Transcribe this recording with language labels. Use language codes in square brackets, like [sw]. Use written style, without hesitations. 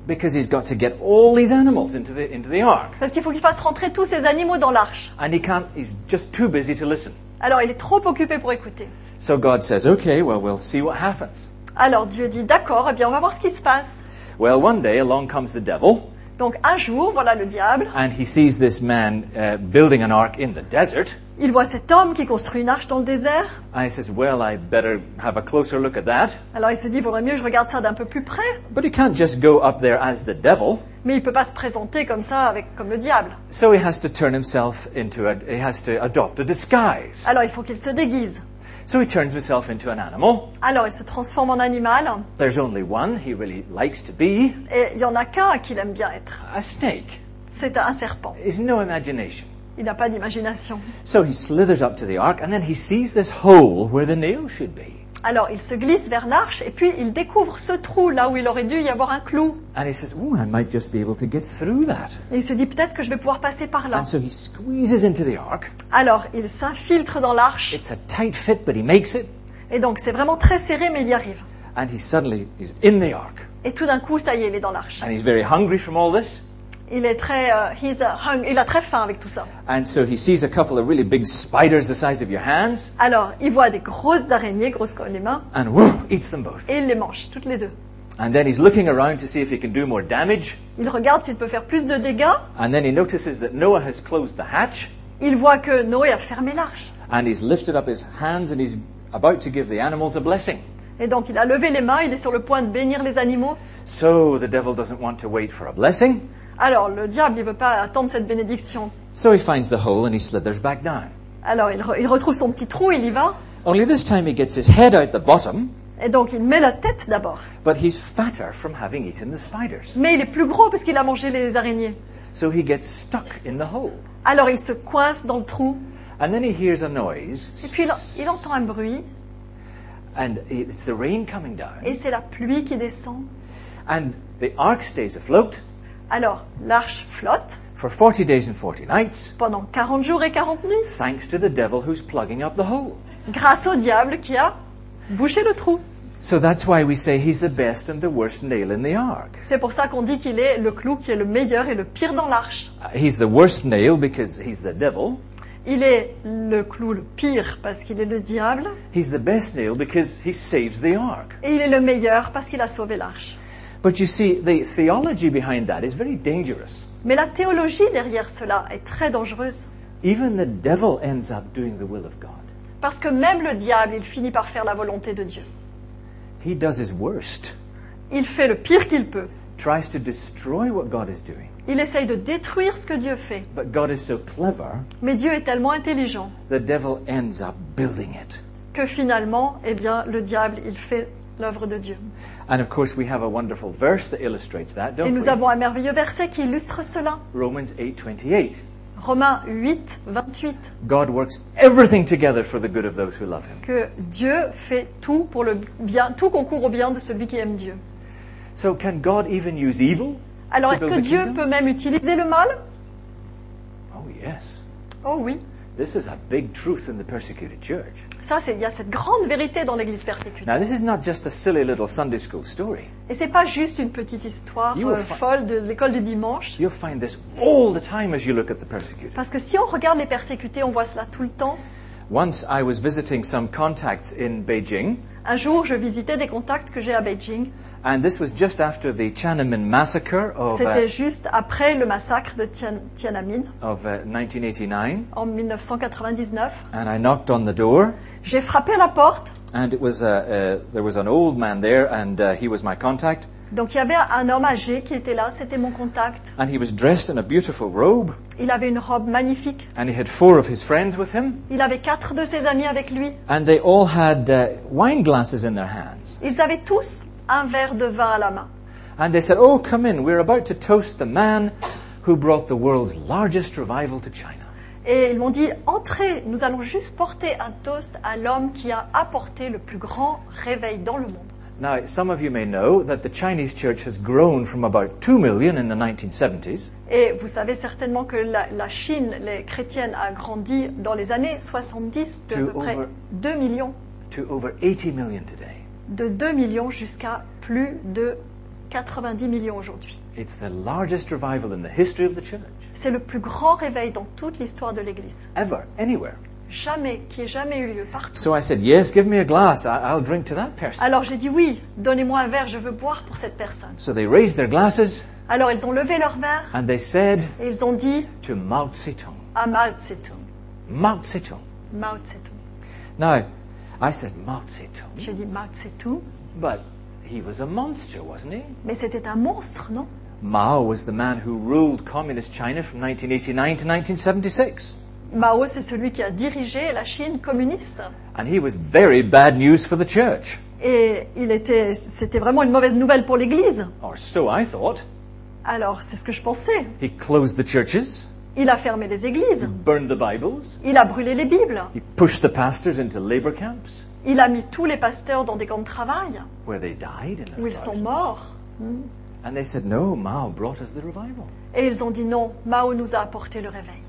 [en] Because he's got to get all these animals into the ark. [fr] Parce qu'il faut qu'il fasse rentrer tous ces animaux dans l'arche. [en] And he's just too busy to listen. [fr] Alors il est trop occupé pour écouter. [en] So God says, "Okay, well, we'll see what happens." [fr] Alors Dieu dit, d'accord, eh bien on va voir ce qui se passe. [en] Well, one day along comes the devil. [fr] Donc un jour, voilà le diable. [en] And he sees this man building an ark in the desert. [fr] Il voit cet homme qui construit une arche dans le désert. [en] And he says, well, I better have a closer look at that. [fr] Alors il se dit, vaudrait mieux je regarde ça d'un peu plus près. [en] But he can't just go up there as the devil. [fr] Mais il peut pas se présenter comme ça avec comme le diable. [en] So he has to turn himself into a, he has to adopt a disguise. [fr] Alors il faut qu'il se déguise. [en] So he turns himself into an animal. [fr] Alors il se transforme en animal. [en] There's only one he really likes to be. [fr] Et il y en a qu'un qu'il aime bien être. [en] A snake. [fr] C'est un serpent. [en] He's no imagination. [fr] Il n'a pas d'imagination. [en] So he slithers up to the ark and then he sees this hole where the nail should be. [fr] Alors il se glisse vers l'arche et puis il découvre ce trou là où il aurait dû y avoir un clou. [en] And he says, "Oh, I might just be able to get through that." [fr] Et il se dit peut-être que je vais pouvoir passer par là. [en] And so he squeezes into the ark. [fr] Alors il s'infiltre dans l'arche. [en] It's a tight fit, but he makes it. [fr] Et donc c'est vraiment très serré, mais il y arrive. [en] And he suddenly is in the ark. [fr] Et tout d'un coup, ça y est, il est dans l'arche. [en] And he's very hungry from all this. [fr] Il est très il a très faim avec tout ça. [en] And so he sees a couple of really big spiders the size of your hands. [fr] Alors, il voit des grosses araignées grosses comme les mains. [en] And whoop, eats them both. [fr] Et il les mange toutes les deux. [en] And then he's looking around to see if he can do more damage. [fr] Il regarde s'il peut faire plus de dégâts. [en] And then he notices that Noah has closed the hatch. [fr] Il voit que Noé a fermé l'arche. [en] And he's lifted up his hands and he's about to give the animals a blessing. [fr] Et donc il a levé les mains, il est sur le point de bénir les animaux. [en] So the devil doesn't want to wait for a blessing. [fr] Alors, le diable, il veut pas attendre cette bénédiction. [en] So he finds the hole and he slithers back down. [fr] Alors, il retrouve son petit trou, il y va. [en] Only this time he gets his head out the bottom. [fr] Et donc, il met la tête d'abord. [en] But he's fatter from having eaten the spiders. [fr] Mais il est plus gros parce qu'il a mangé les araignées. [en] So he gets stuck in the hole. [fr] Alors, il se coince dans le trou. [en] And then he hears a noise. [fr] Et puis, il entend un bruit. [en] And it's the rain coming down. [fr] Et c'est la pluie qui descend. [en] And the ark stays afloat. [fr] Alors, l'arche flotte. [en] For 40 days and 40 nights. [fr] Pendant 40 jours et 40 nuits. [en] Thanks to the devil who's plugging up the hole. [fr] Grâce au diable qui a bouché le trou. [en] So that's why we say he's the best and the worst nail in the ark. [fr] C'est pour ça qu'on dit qu'il est le clou qui est le meilleur et le pire dans l'arche. [en] He's the worst nail because he's the devil. [fr] Il est le clou le pire parce qu'il est le diable. [en] He's the best nail because he saves the ark. [fr] Et il est le meilleur parce qu'il a sauvé l'arche. [en] But you see, the theology behind that is very dangerous. [fr] Mais la théologie derrière cela est très dangereuse. [en] Even the devil ends up doing the will of God. [fr] Parce que même le diable, il finit par faire la volonté de Dieu. [en] He does his worst. [fr] Il fait le pire qu'il peut. [en] Tries to destroy what God is doing. [fr] Il essaye de détruire ce que Dieu fait. [en] But God is so clever. [fr] Mais Dieu est tellement intelligent. [en] The devil ends up building it. [fr] Que finalement, eh bien, le diable, il fait l'œuvre de Dieu. [en] And of course we have a wonderful verse that illustrates that, don't we? [fr] Et nous avons un merveilleux verset qui illustre cela. [en] Romans 8:28. [fr] Romains 8, 28. [en] God works everything together for the good of those who love him. [fr] Que Dieu fait tout pour le bien, tout concourt au bien de celui qui aime Dieu. [en] So can God even use evil? [fr] Alors est-ce que Dieu peut même utiliser le mal? [en] Oh yes. [fr] Oh oui. [en] This is a big truth in the persecuted church. [fr] Ça, c'est, il y a cette grande vérité dans l'église persécutée. [en] Now, this is not just a silly little Sunday school story. [fr] Et c'est pas juste une petite histoire folle de l'école du dimanche. [en] You'll find this all the time as you look at the persecuted. [fr] Parce que si on regarde les persécutés, on voit cela tout le temps. [en] Once I was visiting some contacts in Beijing. [fr] Un jour, je visitais des contacts que j'ai à Beijing. [en] And this was just after the Tiananmen massacre of. [fr] C'était juste après le massacre de Tiananmen. [en] Of 1989. [fr] En 1999. [en] And I knocked on the door. [fr] J'ai frappé à la porte. [en] And it was there was an old man there, and he was my contact. [fr] Donc il y avait un homme âgé qui était là, c'était mon contact. [en] And he was dressed in a beautiful robe. [fr] Il avait une robe magnifique. [en] And he had four of his friends with him. [fr] Il avait quatre de ses amis avec lui. [en] And they all had wine glasses in their hands. [fr] Ils avaient tous un verre de vin à la main. [en] And they said, "Oh, come in. We're about to toast the man who brought the world's largest revival to China." [fr] Et ils m'ont dit, "Entrez, nous allons juste porter un toast à l'homme qui a apporté le plus grand réveil dans le monde." [en] Now, some of you may know that the Chinese church has grown from about 2 million in the 1970s. [fr] Et vous savez certainement que la Chine, les chrétiennes, a grandi dans les années 70 de à peu près 2 millions. [en] To over 80 million today. [fr] De 2 millions jusqu'à plus de 90 millions aujourd'hui. [en] It's the largest revival in the history of the church. [fr] C'est le plus grand réveil dans toute l'histoire de l'Église. [en] Ever, anywhere. [fr] jamais, qui ait jamais eu lieu partout. [en] So I said, yes, give me a glass. I'll drink to that person. [fr] Alors j'ai dit oui, donnez-moi un verre, je veux boire pour cette personne. [en] So they raised their glasses. [fr] Alors ils ont levé leur verre. [en] And they said, [fr] et ils ont dit, [en] to Mao Zedong. [fr] À Mao Zedong. [en] Mao Zedong. [fr] Mao Zedong. [en] Now, I said Mao Zedong. [fr] J'ai dit Mao Zedong. [en] But he was a monster, wasn't he? [fr] Mais c'était un monstre, non? [en] Mao was the man who ruled communist China from 1989 to 1976. [fr] Mao, c'est celui qui a dirigé la Chine communiste. [en] And he was very bad news for the church. [fr] Et il était, c'était vraiment une mauvaise nouvelle pour l'Église. [en] Or so I thought. [fr] Alors, c'est ce que je pensais. [en] He closed the churches. [fr] Il a fermé les églises. [en] He burned the Bibles. [fr] Il a brûlé les Bibles. [en] He pushed the pastors into labor camps. [fr] Il a mis tous les pasteurs dans des camps de travail. [en] Where they died in the [fr] où ils sont morts. [en] And they said, no, Mao brought us the revival. [fr] Et ils ont dit non, Mao nous a apporté le réveil.